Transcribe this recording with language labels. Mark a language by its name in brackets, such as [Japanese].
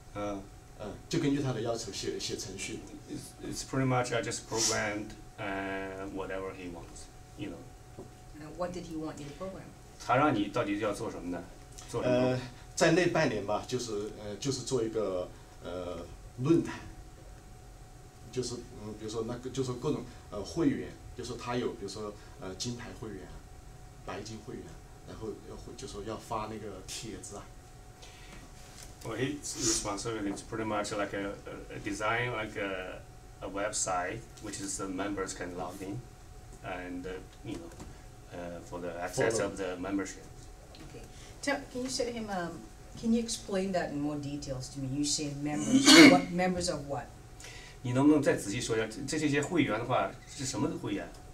[Chinese] 你去那儿工作的时候，你的责任是什么？你的工作范围是职能是什么？我就根据他的要求写程序。 [English] It's pretty much I just programmed whatever he wants, you know. What did he want you to program? [Chinese] 他让你到底要做什么呢？在那半年吧，就是做一个论坛，就是比如说那个就是各种会员。就是他有，比如说金牌会员、白金会员，然后要就说要发那个帖子啊。 [English] Well, his responsibility is pretty much like a design like a website, which is the members can log in, and you know, for the access of the membership. Okay, can you say to him? Can you explain that in more details to me? You say members, what members of what? [Chinese] 你能不能再仔细说一下这些会员的话是什么会员？